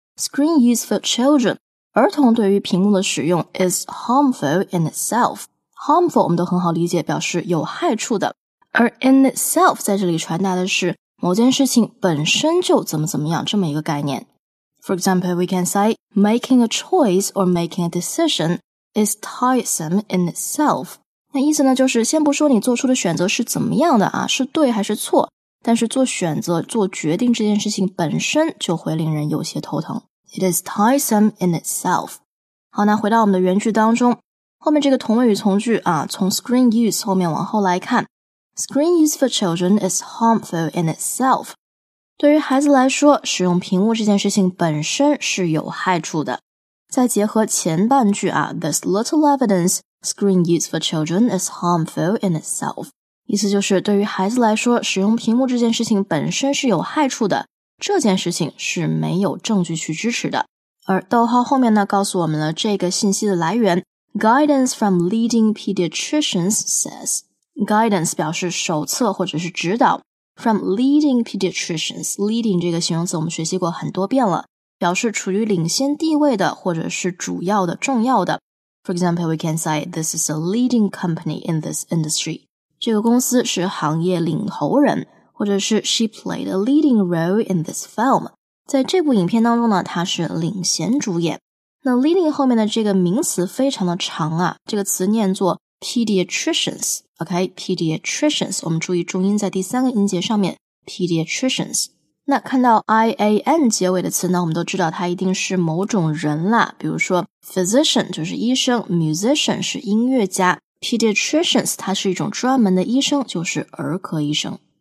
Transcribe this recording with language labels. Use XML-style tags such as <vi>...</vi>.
<en>Screen use for children, 儿童对于屏幕的使用 is harmful in itself.</en> <zh>Harmful 我们都很好理解，表示有害处的。而 in itself 在这里传达的是某件事情本身就怎么怎么样这么一个概念。</zh> <en>For example, we can say making a choice or making a decisionis tiresome in itself.</en> <zh>那意思呢就是先不说你做出的选择是怎么样的啊，是对还是错，但是做选择做决定这件事情本身就会令人有些头疼。</zh> <en>It is tiresome in itself.</en> <zh>好，那回到我们的原句当中，后面这个同位语从句啊，从 screen use 后面往后来看， screen use for children is harmful in itself. 对于孩子来说，使用屏幕这件事情本身是有害处的。</zh> <en>再结合前半句啊， There's little evidence screen use for children is harmful in itself.</en> <zh>意思就是对于孩子来说，使用屏幕这件事情本身是有害处的，这件事情是没有证据去支持的。而逗号后面呢告诉我们了这个信息的来源， Guidance from leading pediatricians says. Guidance 表示手册或者是指导， From leading pediatricians. Leading 这个形容词我们学习过很多遍了，表示处于领先地位的或者是主要的重要的。</zh> <en>For example, we can say this is a leading company in this industry. 这个公司是行业领头人，或者是 she played a leading role in this film.</en> <zh>在这部影片当中呢，她是领衔主演。那 leading 后面的这个名词非常的长啊，这个词念作 pediatricians, OK, pediatricians, 我们注意重音在第三个音节上面， pediatricians。那看到 IAN 结尾的词呢，我们都知道它一定是某种人啦，比如说 physician 就是医生， musician 是音乐家， pediatricians 它是一种专门的医生，就是儿科医生。</zh>